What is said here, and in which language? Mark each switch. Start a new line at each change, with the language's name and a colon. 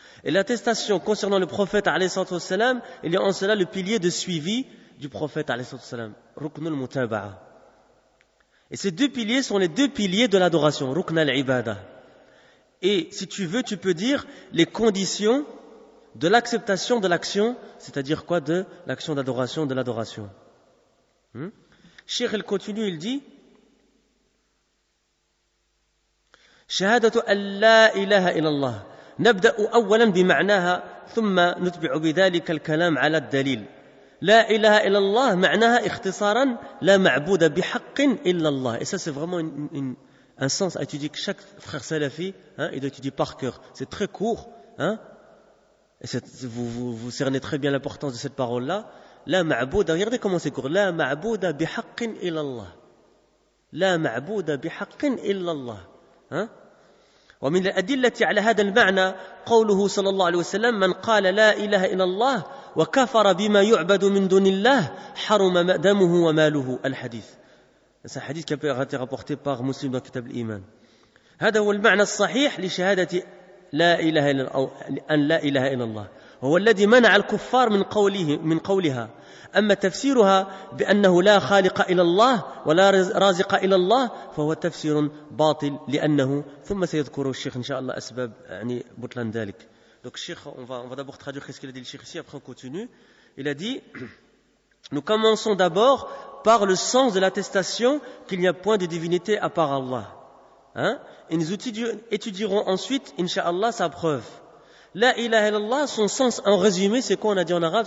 French: Et l'attestation concernant le prophète, alayhi salatu wassalam, il y a en cela le pilier de suivi du prophète, alayhi salatu wassalam, ruknu al-mutaba'a. Et ces deux piliers sont les deux piliers de l'adoration, ruknu al-ibada. Et si tu veux, tu peux dire les conditions de l'acceptation de l'action, c'est-à-dire quoi? De l'action d'adoration, de l'adoration. Cheikh, il continue, il dit,
Arabic: شهادة أن لا إله إلا الله نبدأ أولا بمعناها ثم نتبع بذلك الكلام على الدليل لا إله إلا الله معناها اختصارا لا معبود بحق إلا الله.
French: Et ça, c'est vraiment un sens à étudier que chaque frère salafi, il doit étudier par cœur. C'est très court, et vous cernez très bien l'importance de cette parole-là.
Arabic: La ma'bouda,
French: regardez comment c'est court.
Arabic: La ma'bouda bihaq illa Allah. La ma'bouda bihaq illa Allah. ومن الأدلة على هذا المعنى قوله صلى الله عليه وسلم من قال لا إله إلا الله وكفر بما يعبد من دون الله حرم دمه وماله الحديث. هذا حديث كان
French: rapporté par
Arabic: مسلم
French: dans
Arabic: كتاب الإيمان. هذا هو المعنى الصحيح لشهادة لا إله إلا الله، أن لا إله إلا الله، هو الذي منع الكفار من قولها. أما تفسيرها بأنه لا خالق إلا الله ولا رازق إلا الله فهو تفسير باطل لأنه ثم سيذكر الشيخ إن شاء الله أسباب يعني بطلان ذلك.
French: Donc الشيخ on va d'abord traduire qu'est-ce qu'il a dit le cheikh ici, après on continue. Il a dit, nous commençons d'abord par le sens de l'attestation qu'il n'y a point de divinité à part Allah. Et nous étudierons ensuite, inshallah, sa preuve. La ilaha illallah, son sens en résumé, c'est quoi on a dit en arabe?